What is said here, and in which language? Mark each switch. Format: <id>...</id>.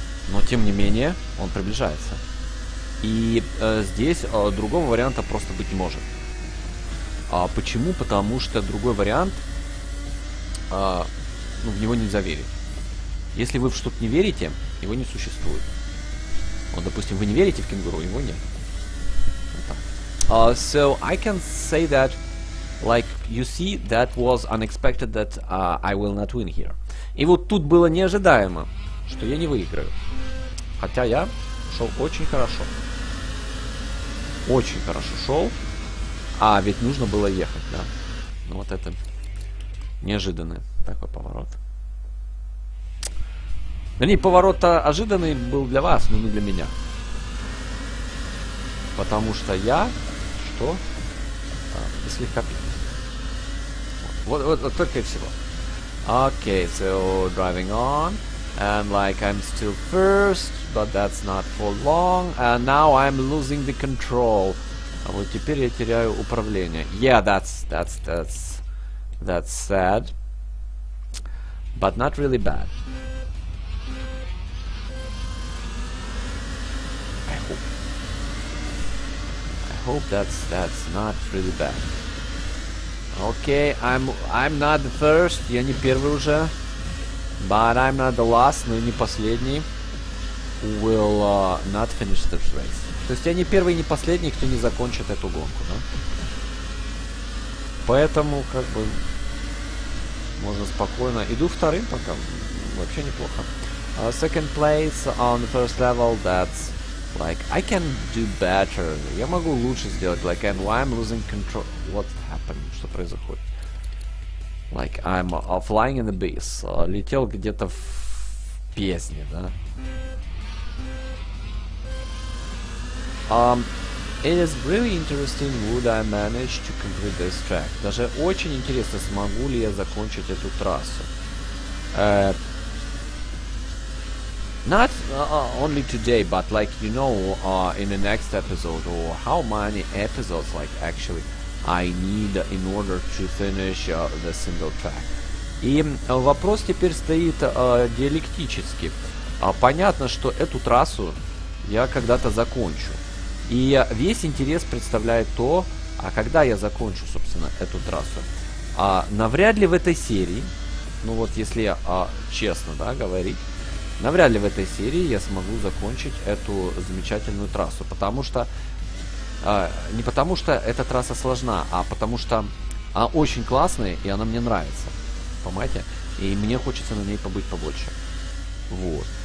<ru>Но, тем не менее, он приближается. И здесь другого варианта просто быть не может. А почему? Потому что другой вариант, в него нельзя верить. Если вы в что-то не верите, его не существует. Вот, допустим, вы не верите в кенгуру, его нет. Вот так.</ru> <en>So I can say that, like you see, that was unexpected that I will not win here.</en> <ru>И вот тут было неожидаемо, что я не выиграю. Хотя я шел очень хорошо. Очень хорошо шел. А, ведь нужно было ехать, да. Ну, вот это неожиданный такой поворот. Вернее, поворот-то ожиданный был для вас, но не для меня. Потому что я, что? И слегка пил. Вот только и всего.</ru> <en>Okay, so driving on. And like I'm still first, but that's not for long. And now I'm losing the control.</en> <ru>А вот теперь я теряю управление.</ru> <en>Yeah, that's sad. But not really bad. I hope that's not really bad. Okay, I'm not the first.</en> <ru>Я не первый уже.</ru> <en>But I'm not the last,</en> <ru>но и не последний.</ru> <en>Will not finish this race.</en> <ru>То есть я не первый, не последний, кто не закончит эту гонку, да? Поэтому, как бы, можно спокойно. Иду вторым пока, вообще неплохо.</ru> <en>Second place on the first level, that's like, I can do better.</en> <ru>Я могу лучше сделать,</ru> <en>like, and why I'm losing control? What happened?</en> <ru>Что происходит?</ru> <en>Like, I'm flying in the abyss.</en> <ru>Летел где-то в песне, да?</ru> <en>It is really interesting, would I manage to complete this track?</en> <ru>Даже очень интересно, смогу ли я закончить эту трассу.</ru> <en>Not only today, but like, you know, in the next episode, or how many episodes, like, actually, I need in order to finish the single track.</en> <ru>И вопрос теперь стоит диалектически. Понятно, что эту трассу я когда-то закончу. И весь интерес представляет то, а когда я закончу, собственно, эту трассу. Навряд ли в этой серии, ну вот если честно, да, говорить, навряд ли в этой серии я смогу закончить эту замечательную трассу, потому что, не потому что эта трасса сложна, а потому что она очень классная, и она мне нравится, понимаете, и мне хочется на ней побыть побольше, вот.</ru>